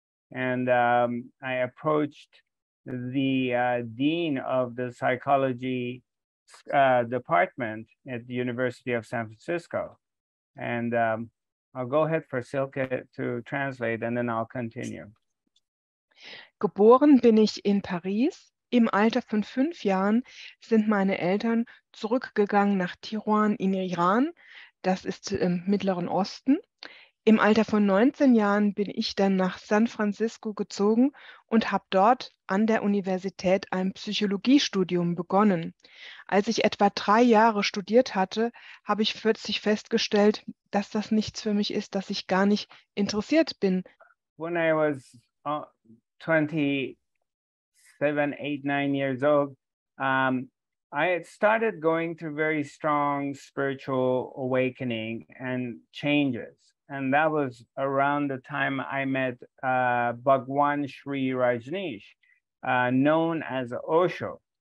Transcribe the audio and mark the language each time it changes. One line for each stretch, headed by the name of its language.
English: And I approached the dean of the psychology department at the University of San Francisco. And I'll go ahead for Silke to translate and then I'll continue.
German: Geboren bin ich in Paris. Im Alter von 5 Jahren sind meine Eltern zurückgegangen nach Tehran in Iran. Das ist im Mittleren Osten. Im Alter von 19 Jahren bin ich dann nach San Francisco gezogen und habe dort an der Universität ein Psychologiestudium begonnen. Als ich etwa 3 Jahre studiert hatte, habe ich plötzlich festgestellt, dass das nichts für mich ist, dass ich gar nicht interessiert bin.
English: When I was 27, 28, 29 years old, I had started going through very strong spiritual awakening and changes. And that was around the time I met Bhagwan Sri Rajneesh, known as Osho.